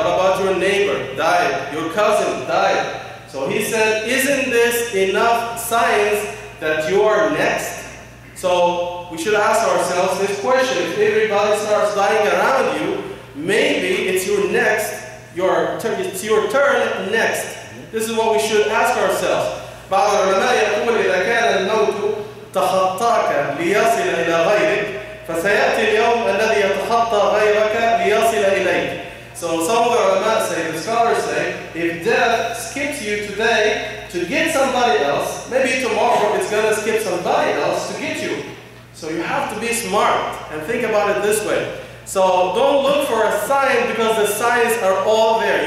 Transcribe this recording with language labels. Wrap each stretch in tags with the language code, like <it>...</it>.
<en>"What about your neighbor?" "Died." "Your cousin?" "Died." So he said, "Isn't this enough signs that you are next?" So we should ask ourselves this question. If everybody starts dying around you, maybe it's your next, it's your turn next. This is what we should ask ourselves.</en> <ar>بعض العلماء يقول إذا كان الموت تخطاك ليصل إلى غيرك فسيأتي اليوم الذي يتخطى غيرك ليصل إليك.</ar> <en>So some of the علماء say, the scholars say, if death skips you today to get somebody else, maybe tomorrow it's going to skip somebody else to get you. So you have to be smart and think about it this way. So don't look for a sign because the signs are all there.</en>